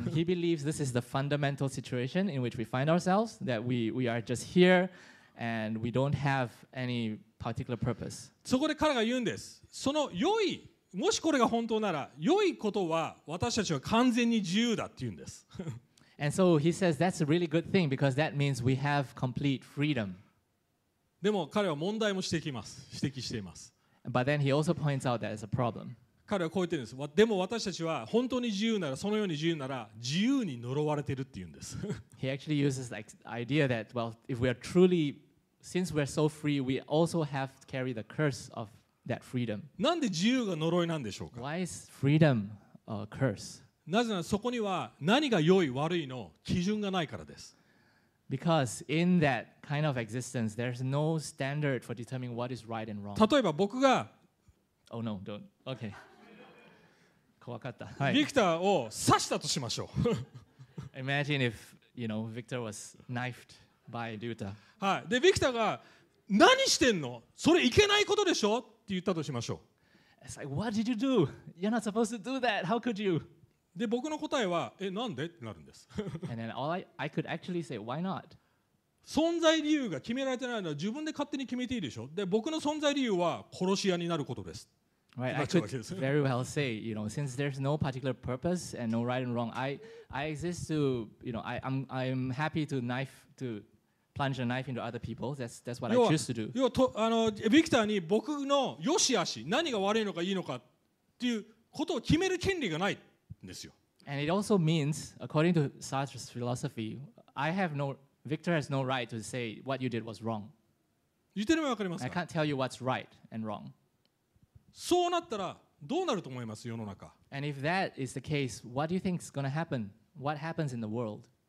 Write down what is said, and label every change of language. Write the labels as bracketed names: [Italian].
[English] He believes this is the fundamental situation in which we find ourselves. That we are just here and we don't have any particular purpose. [Japanese] そこで彼が言うんです。その良いもしこれが本当なら、良いことは私たちは完全に自由だって言うんです。 [English] And so he says that's a really good thing because that means we have complete freedom. [Japanese] でも彼は問題も指摘しています。 [English] But then he also points out that it's a problem. [Japanese] 彼はこう言ってるんです。でも私たちは本当に自由なら、そのように自由なら、自由に呪われてるって言うんです。 [English] He actually uses the idea that, well, if we are truly, since we're so free, we also have to carry the curse of. That freedom. [Japanese] なんで自由が呪いなんでしょうか? [English] Why is freedom a curse? [Japanese] なぜならそこには何が良い悪いの基準がないからです。 [English] Because in that kind of existence, there's no standard for determining what is right and wrong. [Japanese] 例えば僕が、 [English] Oh no, don't. Okay. [Japanese] 怖かった。ビクターを刺したとしましょう。 [English] Imagine if, you know, Victor was knifed by Ryuta. [Japanese] はい。で、ビクターが何してんの?それいけないことでしょ? って言ったとしましょう。 [English] It's like, what did you do? You're not supposed to do that. How could you? [Japanese] で、僕の答えは、え、なんで? ってなるんです。 [English] And then all I could actually say, why not? [Japanese] 存在理由が決められてないのは自分で勝手に決めていいでしょ。で、僕の存在理由は殺し屋になることです。 [English] Right, I could very well say, you know, since there's no particular purpose and no right and wrong, I exist to, you know, I'm happy to knife to plunge a knife into other people. That's what I choose to do. [Japanese] 要はあのビクターに僕の良し悪し何が悪いのかいいのかっていうことを決める権利がないんですよ。 [English] And it also means, according to Sartre's philosophy, I have no, Victor has no right to say what you did was wrong. [Japanese] 言ってるのわかりますか? [English] I can't tell you what's right and wrong. [Japanese] そうなったらどうなると思います世の中? [English] And if that is the case, what do you think is going to happen? What happens in the world?